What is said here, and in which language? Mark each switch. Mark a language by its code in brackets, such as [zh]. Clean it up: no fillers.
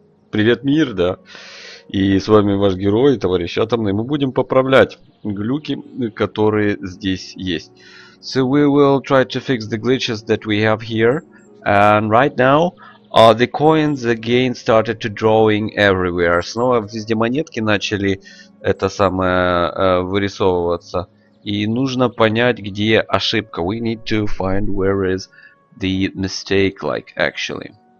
[ru] Привет, мир, да. И с вами ваш герой, товарищ Атомный. Мы будем поправлять глюки, которые здесь есть. [en] So we will try to fix the glitches that we have here. And right now, the coins again started to drawing everywhere. [ru] Снова везде монетки начали это самое вырисовываться. И нужно понять, где ошибка. [en] We need to find where is the mistake, like, actually.